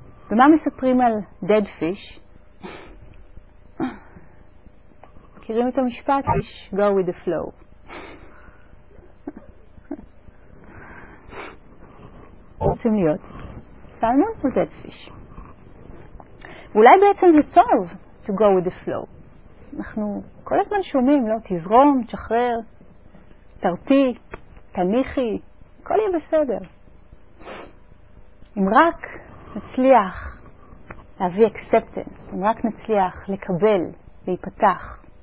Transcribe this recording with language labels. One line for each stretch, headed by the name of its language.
Hebrew: ומה מספרים על dead fish? מכירים את המשפט?
English: fish go with the flow.
Hebrew: רוצים להיות סלמון או dead fish? אולי בעצם זה טוב
English: to go with the flow.
Hebrew: אנחנו כל הזמן שומעים, לא? תזרום, תשחרר, תרפי, תניחי, הכל יהיה בסדר. אם רק נצליח להביא acceptance, אם רק נצליח לקבל, להיפתח.